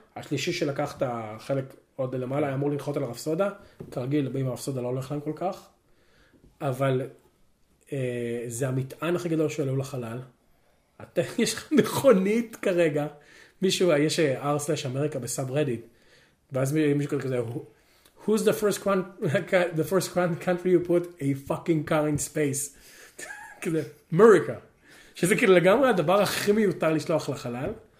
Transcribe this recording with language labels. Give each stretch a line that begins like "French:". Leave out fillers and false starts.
Hebrew: השלישי שלקח את החלק עוד למעלה, היה אמור לנחות על הרפסודה. כרגיל, אם הרפסודה לא הולך להם כל כך. אבל זה המטען הכי גדול שעלו לחלל. יש לך מכונית כרגע. מישהו, יש r/America בסאב-רדיט. ואז מישהו כזה,
English: who's the first country you put a fucking car in space?
Hebrew: כזה, America. שזה כאילו לגמרי הדבר הכי מיותר לשלוח לחלל.